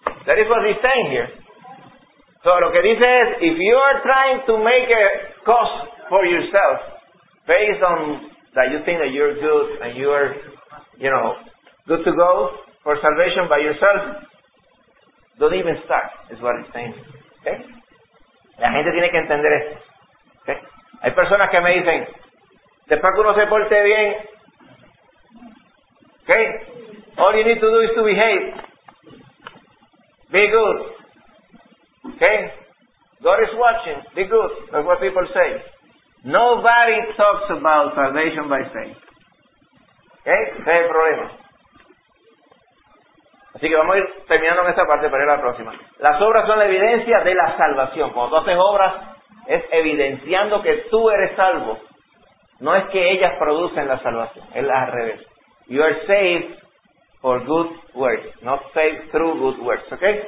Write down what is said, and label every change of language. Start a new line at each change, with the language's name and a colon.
English: That is what he's saying here. So
Spanish: lo que dice es,
English: if you are trying to make a cost for yourself based on that you think that you're good and you are, you know, good to go for salvation by yourself, don't even start, is what he's saying.
Spanish: Okay? La gente tiene que entender esto. Okay? Hay personas que me dicen, después que uno se porte bien, okay?
English: All you need to do is to behave. Be good. Okay? God is watching. Be good. That's what people say. Nobody talks about salvation by faith. Okay?
Spanish: Ese es el problema. Así que vamos a ir terminando en esta parte para ir a la próxima. Las obras son la evidencia de la salvación. Cuando tú haces obras, es evidenciando que tú eres salvo. No es que ellas producen la salvación, es al revés.
English: You are saved for good works, not saved through good works, ¿ok?